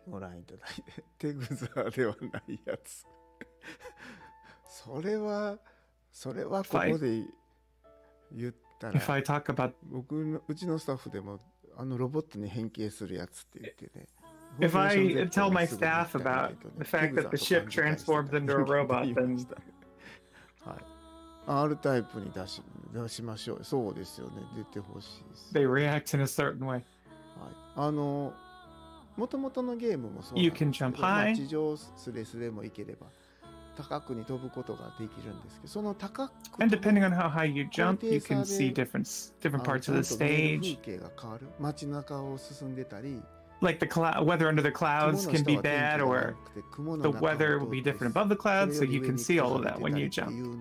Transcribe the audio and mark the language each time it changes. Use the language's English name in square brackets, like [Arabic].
[Japanese] ご覧いただいて、テグザーではないやつ。それはそれはここで言ったら、 [English] If I talk about [Japanese] 僕のうちのスタッフでもあのロボットに変形するやつって言ってね。 [English] If I tell my staff about the fact that the ship transforms into a robot, then [Japanese] R タイプに出しましょう。そうですよね。出てほしいです。 [English] They react in a certain way. [Japanese] はい。あの元々のゲームもそう。 [English] You can jump high. [Japanese] 地上スレスレも行ければ高くに飛ぶことができるんですけど、その高く。 [English] And depending on how high you jump, you can see different parts of the stage. [Japanese] 風景が変わる。街中を進んでたり。 [English] Like the weather under the clouds can be bad, or the weather will be different above the clouds, so you can see all of that when you jump.